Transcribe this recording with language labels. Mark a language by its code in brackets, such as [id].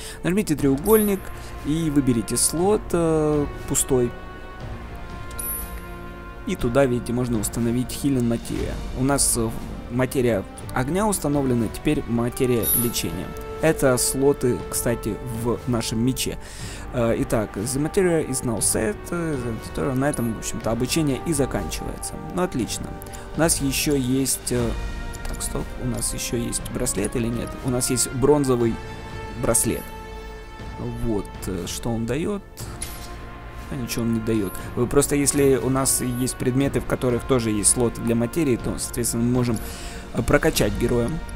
[ru] Нажмите треугольник и выберите слот пустой. И туда, видите, можно установить healing материя. У нас материя огня установлена, теперь материя лечения. Это слоты, кстати, в нашем мече. Итак, [en] the material is now set. [ru] На этом, в общем-то, обучение и заканчивается. Ну, отлично. У нас еще есть... Так, стоп. У нас еще есть браслет или нет? У нас есть бронзовый браслет. Вот. Что он дает? А ничего он не дает. Просто если у нас есть предметы, в которых тоже есть слоты для материи, то, соответственно, мы можем прокачать героя.